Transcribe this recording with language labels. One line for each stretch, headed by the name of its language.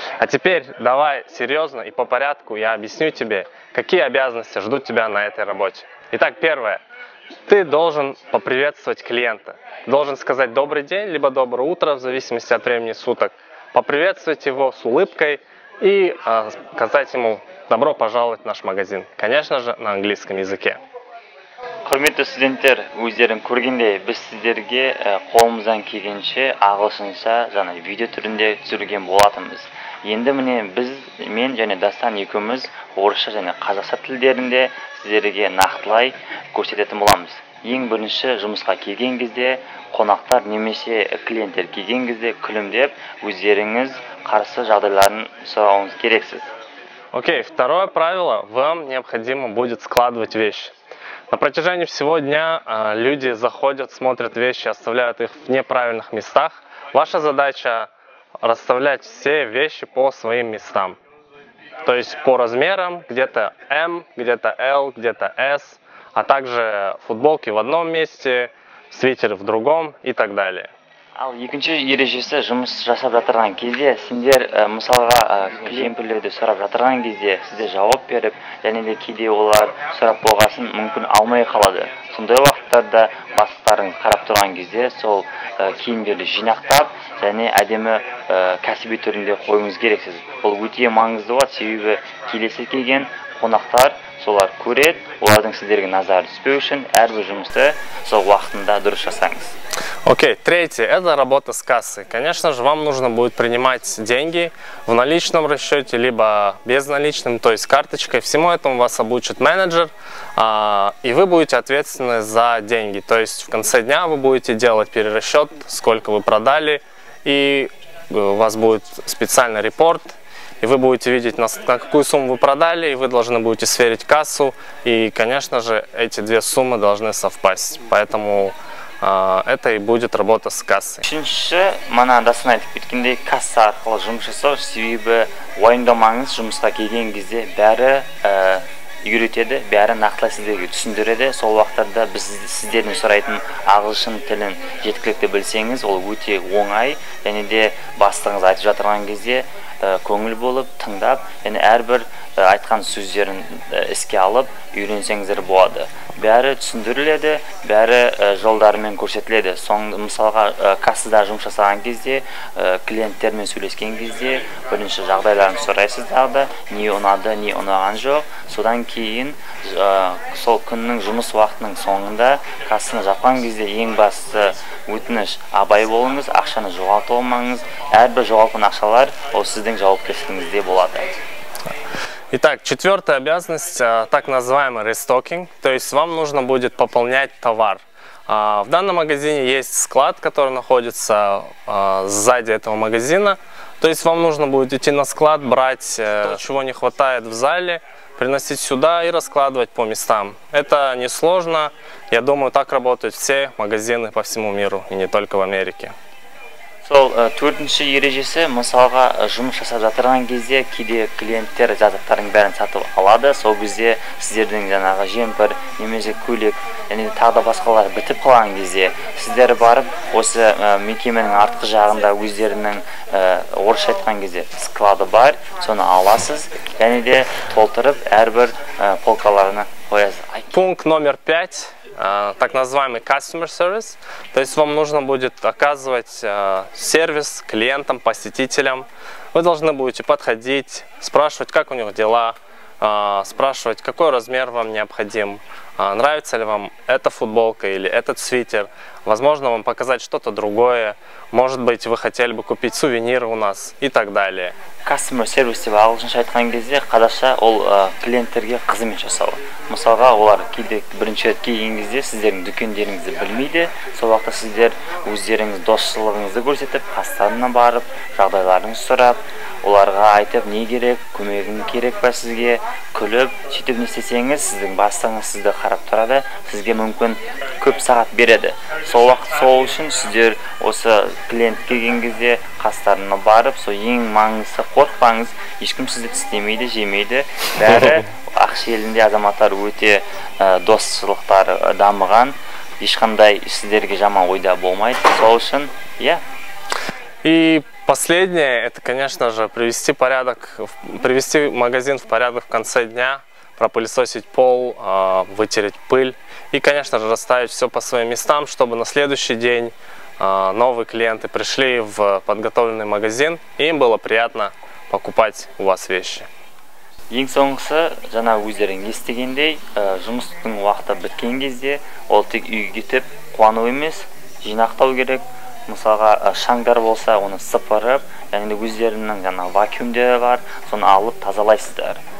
Russian: А теперь давай серьезно и по порядку я объясню тебе, какие обязанности ждут тебя на этой работе. Итак, первое. Ты должен поприветствовать клиента. Должен сказать добрый день, либо доброе утро, в зависимости от времени суток. Поприветствовать его с улыбкой и сказать ему добро пожаловать в наш магазин. Конечно же, на английском языке.
Kazakh: Құрметті студенттер, өздерің көргендей, біз сіздерге қолымыздан келгенше ағылшынша жаңа видео түрінде түсірген болатынбыз. Енді міне біз, мен және Дастан екеуміз орысша және қазақша тілдерінде сіздерге нақтылай көрсететін боламыз. Ең бірінші жұмысқа келген кезде қонақтар немесе клиенттер келген кезде күлімдеп өздеріңіз қарсы жағдайларын сұрауыңыз керексіз.
Russian: Окей, второе правило. Вам необходимо будет складывать вещи. На протяжении всего дня люди заходят, смотрят вещи, оставляют их в неправильных местах. Ваша задача расставлять все вещи по своим местам. То есть по размерам, где-то M, где-то L, где-то S, а также футболки в одном месте, свитер в другом и так далее.
Kazakh: Ал екінші ережесі жұмыс жасап жатырған кезде, сендер мысалға клиенттерді сұрап жатырған кезде, сізде жауап беріп, және де кейде олар сұрап болғасын мүмкін алмай қалады. Сондай уақыттарда бастықтарын қарап тұрған кезде, сол киімдерді жинақтап, және әдемі кәсіби түрінде қойыңыз керексіз. Бұл өте маңызды болады, себебі келесі келген қонақтар солар көрет, олардың сіздерге назар түспеу үшін әрбір жұмысты сол уақытында дұрыс жасаңыз.
Russian: Окей, третье, это работа с кассой. Конечно же, вам нужно будет принимать деньги в наличном расчете, либо безналичным, то есть карточкой. Всему этому вас обучит менеджер, и вы будете ответственны за деньги. То есть в конце дня вы будете делать перерасчет, сколько вы продали, и у вас будет специальный репорт, и вы будете видеть, на какую сумму вы продали, и вы должны будете сверить кассу, и, конечно же, эти две суммы должны совпасть. Поэтому это и будет работа с кассой.
Kazakh: Үшінші, мана дасын айтып кеткендей, касса арқылы жұмыс жасау, себебі уайымдамаңыз жұмыста келген кезде бәрі үйретеді, бәрі нақтылай сіздерге түсіндіреді. Сол уақыттарда біз сіздердің сұрайтын ағылшын тілін жеткілікті білсеңіз, ол өте оңай, және де бастығыңыз айтып жатырған кезде көңіл болып, тыңдап, және әрбір айтқан сөздерін іске алып, үйренсеңіздер болады. Бәрі түсіндіріледі, бәрі жолдарымен көрсетіледі. Мысалға, кассада жұмыс жасаған кезде, клиенттермен сөйлескен кезде, бірінші жағдайларын сұрайсыз дағыда, не ұнады, не ұнаған жоқ. Содан кейін, сол күннің жұмыс уақытының соңында, кассаны жапқан кезде ең басты өтініш абай болыңыз, ақшаны жоғалтылмаңыз, әрбір жоғалтын ақшалар ол сіздің жауапкершілігіңізде болады.
Russian: Итак, четвертая обязанность, так называемый рестокинг, то есть вам нужно будет пополнять товар. В данном магазине есть склад, который находится сзади этого магазина, то есть вам нужно будет идти на склад, брать то, чего не хватает в зале, приносить сюда и раскладывать по местам. Это несложно, я думаю, так работают все магазины по всему миру и не только в Америке.
Kazakh: Сол төртінші ережесі, мысалға жұмыс жасап жатырған кезде кейде клиенттер жазаттарың бәрін сатып алады, сол кезде сіздердің жаңағы жемпір, немесе көйлек, және тағы да басқалар бітіп қалған кезде сіздер барып осы мекеменің артқы жағында өздерінің орысша айтқан кезде склады бар, соны аласыз, және де толтырып әрбір полкаларына қоясыз.
Russian: Пункт номер 5. Так называемый customer service, то есть вам нужно будет оказывать сервис клиентам, посетителям. Вы должны будете подходить, спрашивать, как у них дела, спрашивать, какой размер вам необходим, нравится ли вам эта футболка или этот свитер, возможно, вам показать что-то другое, может быть, вы хотели бы купить сувенир у нас и так далее.
Kazakh: Customer service деп ағылшынша айтқан кезде, қазақша ол клиенттерге қызмет жасау. Мысалға, олар бірінші рет келген кезде сіздердің дүкендеріңізді білмейді, сол уақытта сіздер өздеріңіз достығыңызды көрсетіп, қастарына барып, жағдайларыңызды сұрап, оларға айтып, не керек, көмегің керек па сізге, күліп, сөйтіп не істесеңіз, сіздің бастығыңыз сізді қарап тұрады, сізге мүмкін көп сағат береді. Сол уақыт сол үшін сіздер осы клиент келген кезде қастарына барып, сол ең маңызды қорықпаңыз, ешкім сізді тістемейді, жемейді, бәрі ақш елінде азаматтар өте достықтары дамыған, ешқандай сіздерге жаман ойда болмайды, сол үшін, иә.
Russian: Последнее, это, конечно же, привести порядок, привести магазин в порядок в конце дня, пропылесосить пол, вытереть пыль и, конечно же, расставить все по своим местам, чтобы на следующий день новые клиенты пришли в подготовленный магазин и им было приятно покупать у вас вещи.
Kazakh: Ең соңғысы, жаңа өздерің естігендей, жұмыстың уақыты біткен кезде, ол тек үйге кетіп, қуану емес, жинақтау керек. Мысалға шаңдар болса, оны сыпырып, және өздерінің жаңа вакуумдері бар, соны алып тазалайсыздар.